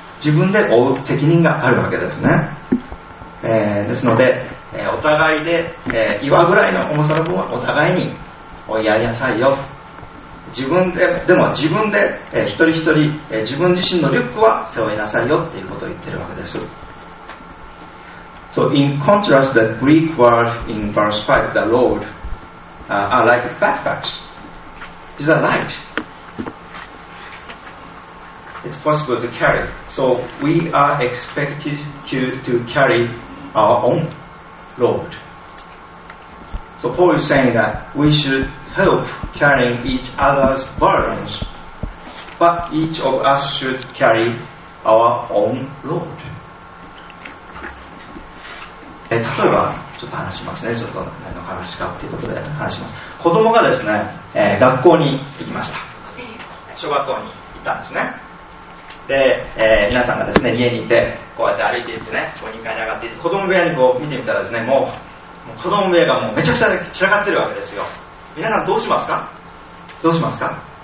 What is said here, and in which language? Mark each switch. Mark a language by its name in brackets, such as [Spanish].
[Japanese] 自分で負う責任があるわけですね、ですので、お互いで、岩ぐらいの重さの分はお互いに負いやりなさいよ。自分で、でも自分で、一人一人、自分自身のリュックは背負いなさいよっていうことを言ってるわけです。 [English] So in contrast, the Greek word in verse 5, the load, are like backpacks. These are light. It's possible to carry. So we are expected to carry our own load. So Paul is saying that we should help carrying each other's burdens, but each of us should carry our own load. [Japanese] 例えばちょっと話しますね。ちょっと何の話かということで話します。子供がですね、学校に行きました。小学校に行ったんですね。で、皆さんがですね、家にいてこうやって歩いていってね、こう2階に上がっていって子供部屋にこう見てみたらですね、もう子供部屋がもうめちゃくちゃ散らかってるわけですよ。皆さんどうしますか？どうしますか？